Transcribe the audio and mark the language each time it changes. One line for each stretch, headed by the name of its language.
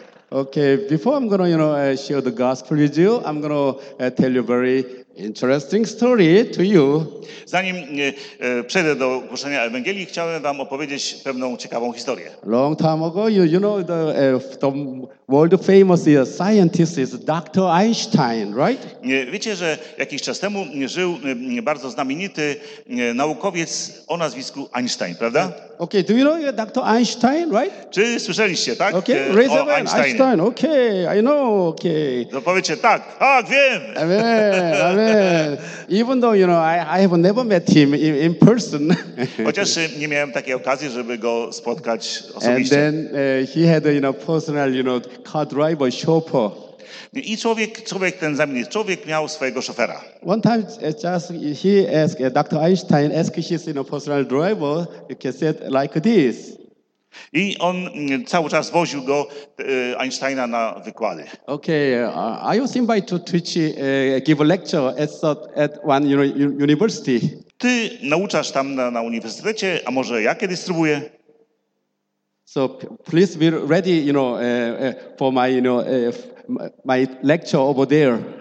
English: Okay, before I'm going to, you know, share the gospel with you, I'm going to tell you a very interesting story to you.
Polish: Zanim przejdę do głoszenia Ewangelii, chciałem wam opowiedzieć pewną ciekawą historię.
English: Long time ago, you know, the world famous scientist is Dr. Einstein, right?
Polish: Wiecie, że jakiś czas temu żył bardzo znamienity naukowiec o nazwisku Einstein, prawda?
English: Okay, do you know Dr. Einstein, right?
Polish: Czy słyszeliście, tak?
English: Okay, raise your hand. Einstein, okay, I know, okay.
Polish: To powiecie, tak, wiem. Amen.
English: Even though, you know, I have never met him in person.
Polish: Chociaż nie miałem takiej okazji, żeby go spotkać osobiście.
English: And then he had, you know, personal, you know, car driver, chauffeur.
Polish: I człowiek ten zamienił. Człowiek miał swojego szofera.
English: One time just he asked, Dr. Einstein asked his, you know, personal driver, you can say it like this.
Polish: I on cały czas woził go, Einsteina, na wykłady.
English: Okay, I was invited to teach, give a lecture at one university.
Polish: Ty nauczasz tam na uniwersytecie, a może ja kiedy spróbuję?
English: So please be ready, you know, for my, you know, my lecture over there.